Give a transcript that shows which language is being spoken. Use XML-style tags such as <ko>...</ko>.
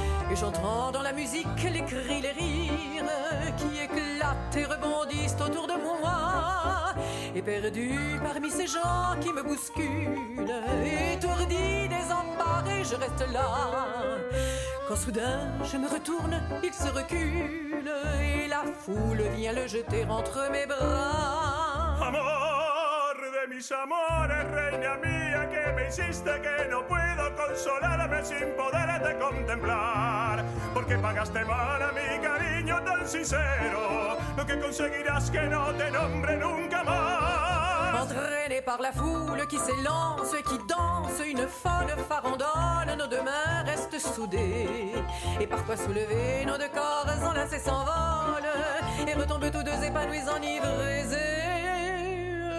<fr>Et j'entends dans la musique les cris, les rires qui éclatent et rebondissent autour de moi. Et perdu parmi ces gens qui me bousculent, étourdi, désemparé, je reste là. Quand soudain je me retourne, il se recule et la foule vient le jeter entre mes bras.</fr> <es>Amor de mis amores, reina mía, que me hiciste que no puedo consolarme sin poderte contemplar. Porque pagaste mal a mi cariño tan sincero, lo que conseguirás que no te nombre nunca más.</es> <fr>Entraînée par la foule qui s'élance et qui danse, une folle farandole, nos deux mains restent soudées. Et parfois soulevées, nos deux corps enlacés s'envolent et retombent tous deux épanouis, enivrés et</fr>